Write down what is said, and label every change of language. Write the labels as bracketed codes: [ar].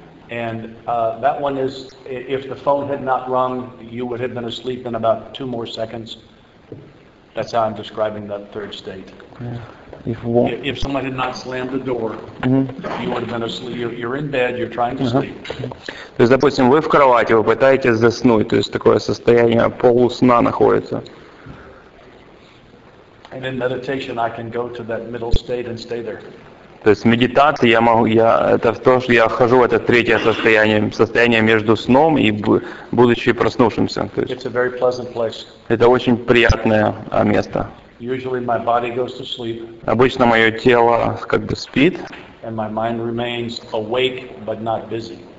[en] And that one is, if the phone had not rung, you would have been asleep in about two more seconds. That's how I'm describing that third state. Yeah. If someone had not slammed the door, mm-hmm. you would have been asleep. You're in bed. You're trying to sleep. [ru] То есть, допустим, вы в кровати, вы пытаетесь заснуть, то есть такое состояние полусна находится. [en] And in meditation, I can go to that middle state and stay there. [ru] То есть медитация это то, что я хожу в это третье состояние между сном и будучи проснувшимся. [en] It's a very pleasant place. [ru] Это очень приятное место. [en] Usually my body goes to sleep. [ru] Обычно мое тело как бы спит. [en] And my mind remains awake but not busy.